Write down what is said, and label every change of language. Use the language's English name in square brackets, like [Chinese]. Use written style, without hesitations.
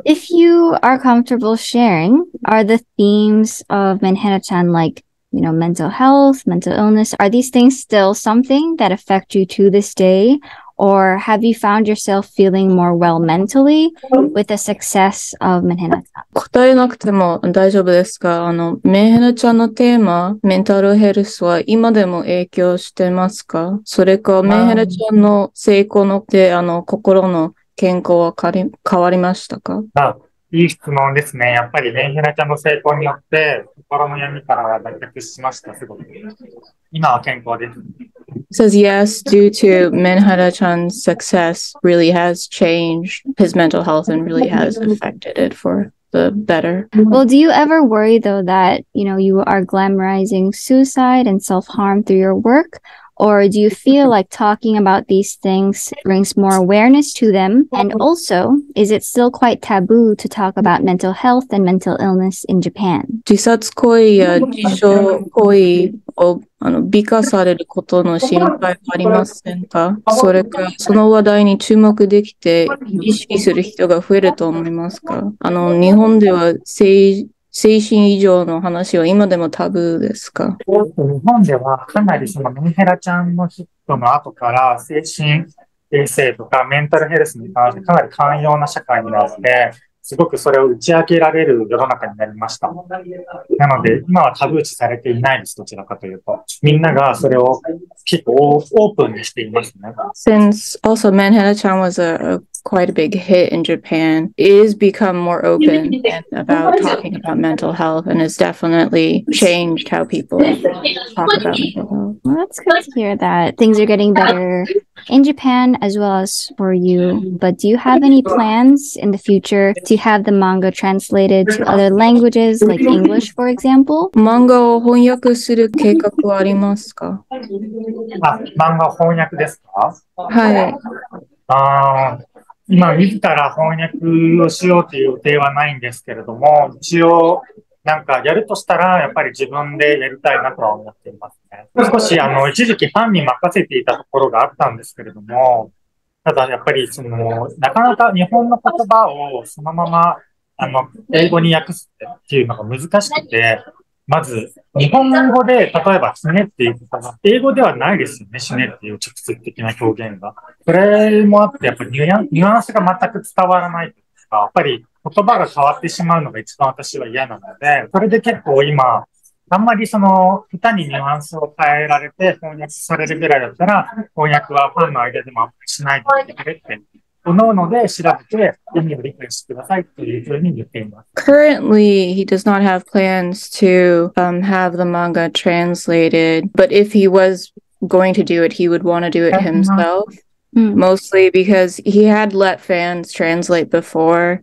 [English] If you are comfortable sharing, are the themes of Menhera-chan like, you know, mental health, mental illness, are these things still something that affect you to this day? Or have you found yourself feeling more well mentally with the success of Menhera-chan? [Japanese] 答えなくても大丈夫ですか? あの、Menhera-chanのテーマ、メンタルヘルスは今でも影響してますか? それか、Menhera-chanの成功の、あの、心の健康は変わりましたか? あ、いい質問ですね。やっぱりMenhera-chanの成功によって、心の闇から脱却しました。すごく。今は健康です。 [English] Says yes, due to Menhera-chan's success, really has changed his mental health and really has affected it for the better. Well, do you ever worry though that, you know, you are glamorizing suicide and self-harm through your work? Or do you feel like talking about these things brings more awareness to them? And also, is it still quite taboo to talk about mental health and mental illness in Japan? [Japanese] 自殺行為や自傷行為を美化されることの心配はありませんか? それか、その話題に注目できて意識する人が増えると思いますか? あの、日本では精神異常の話は今でもタブーですか? 日本ではかなりそのメンヘラちゃんのヒットの後から精神衛生とかメンタルヘルスに関してかなり寛容な社会になって、すごくそれを打ち明けられる世の中になりました。なので今はタブー視されていないです、どちらかというと。みんながそれを結構オープンにしていますね。 [English] Since also Menhera-chan was quite a big hit in Japan, is become more open about talking about mental health and has definitely changed how people talk about mental health. Well, that's good to hear that things are getting better in Japan as well as for you. But do you have any plans in the future to have the manga translated to other languages like English, for example? [Japanese] 漫画を翻訳する計画はありますか? あ、漫画翻訳ですか? はい。今自ら翻訳をしようという予定はないんですけれども、一応なんかやるとしたらやっぱり自分でやりたいなとは思っていますね。少しあの一時期ファンに任せていたところがあったんですけれども、ただやっぱりそのなかなか日本の言葉をそのままあの英語に訳すっていうのが難しくて、まず、日本語で、例えば、死ねっていう言葉、英語ではないですよね、死ねっていう直接的な表現が。それもあって、やっぱりニュアンスが全く伝わらないというか、やっぱり、言葉が変わってしまうのが一番私は嫌なので、それで結構今、あんまりその歌にニュアンスを変えられて翻訳されるぐらいだったら、翻訳はファンの間でもあんまりしないでくれって。 [English] Currently, he does not have plans to have the manga translated, but if he was going to do it, he would want to do it himself, mostly because he had let fans translate before.